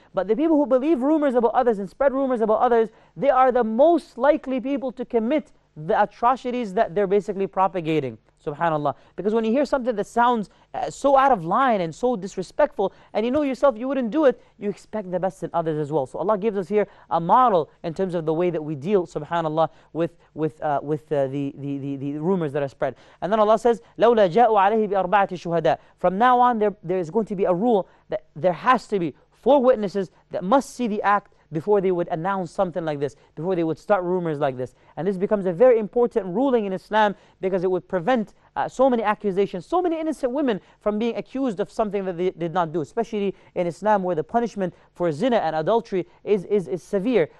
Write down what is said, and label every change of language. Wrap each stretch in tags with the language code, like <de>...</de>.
<en>But the people who believe rumors about others and spread rumors about others, they are the most likely people to commit the atrocities that they're basically propagating. Subhanallah. Because when you hear something that sounds so out of line and so disrespectful, and you know yourself you wouldn't do it, you expect the best in others as well. So Allah gives us here a model in terms of the way that we deal, subhanallah, with the rumors that are spread. And then Allah says,</en> <ar>لَوْلَا جَاءُوا عَلَيْهِ بِأَرْبَعَةِ شُهَدَاءِ.</ar> <en>From now on, there is going to be a rule that there has to be four witnesses that must see the act before they would announce something like this, before they would start rumors like this. And this becomes a very important ruling in Islam because it would prevent so many accusations, so many innocent women from being accused of something that they did not do, especially in Islam where the punishment for zina and adultery is severe.</en>